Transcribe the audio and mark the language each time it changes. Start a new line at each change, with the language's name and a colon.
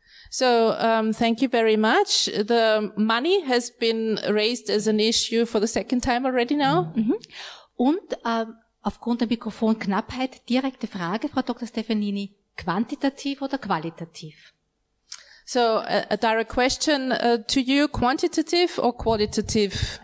English: So, thank you very much. The money has been raised as an issue for the second time already now. Mhm.
German: Und aufgrund der Mikrofonknappheit direkte Frage, Frau Dr. Stefanini, quantitativ oder qualitativ?
English: So, a direct question to you, quantitative or qualitative?